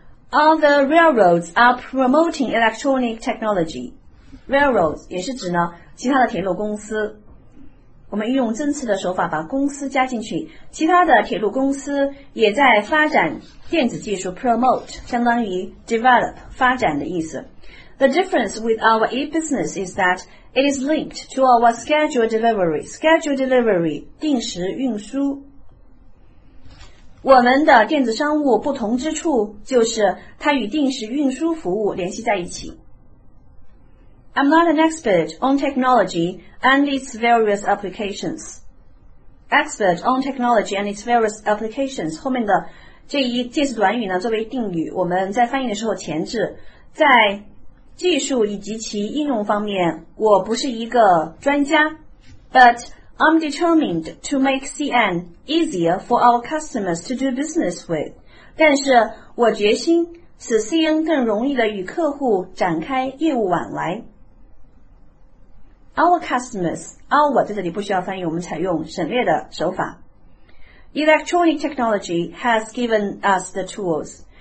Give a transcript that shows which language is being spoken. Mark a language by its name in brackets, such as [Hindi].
[English] All the railroads are promoting electronic technology. [Chinese] Railroads 也是指呢其他的铁路公司。我们运用增词的手法把公司加进去，其他的铁路公司也在发展电子技术。 Promote 相当于 develop 发展的意思。 [English] The difference with our e-business is that it is linked to our scheduled delivery. Scheduled delivery [Chinese] 定时运输。我们的电子商务不同之处就是它与定时运输服务联系在一起。 [English] I'm not an expert on technology and its various applications. Expert on technology and its various applications [Chinese] 后面的这一介词短语呢，作为定语，我们在翻译的时候前置，在技术以及其应用方面我不是一个专家。 [English] ButI'm determined to make CN easier for our customers to do business with. [Chinese] 但是我决心使 CN 更容易地与客户展开业务往来。 [English] Our customers, our [Chinese] 在这里不需要翻译，我们采用省略的手法。 [English] Electronic technology has given us the tools.